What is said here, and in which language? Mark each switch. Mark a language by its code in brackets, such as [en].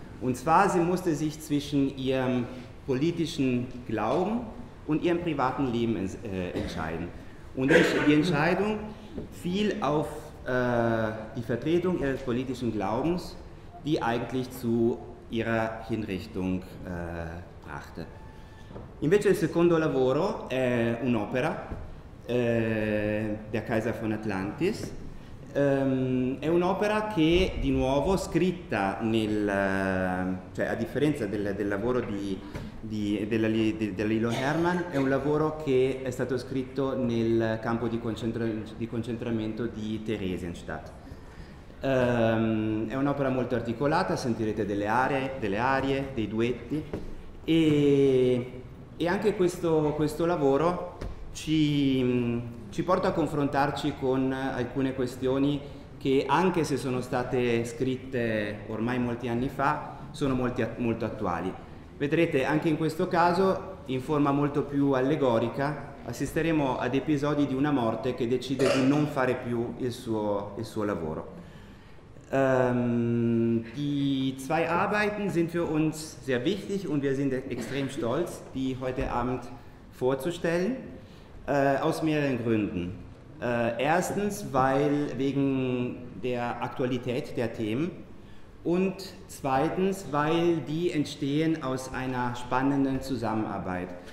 [de] Und zwar, sie musste sich zwischen ihrem politischen Glauben und ihrem privaten Leben entscheiden. Und die Entscheidung fiel auf die Vertretung ihres politischen Glaubens, die eigentlich zu ihrer Hinrichtung brachte. [it] Invece il secondo lavoro è un'opera, Der Kaiser von Atlantis. È un'opera che, di nuovo, scritta cioè a differenza del lavoro della Lilo Hermann, è un lavoro che è stato scritto nel campo di concentramento di Theresienstadt. È un'opera molto articolata, sentirete delle arie, dei duetti e anche questo lavoro ci porta a confrontarci con alcune questioni che, anche se sono state scritte ormai molti anni fa, sono molto attuali. Vedrete, anche in questo caso, in forma molto più allegorica, assisteremo ad episodi di una morte che decide di non fare più il suo lavoro. [de] Die zwei Arbeiten sind für uns sehr wichtig und wir sind extrem stolz, die heute Abend vorzustellen, aus mehreren Gründen. Erstens, weil wegen der Aktualität der Themen und zweitens, weil die entstehen aus einer spannenden Zusammenarbeit.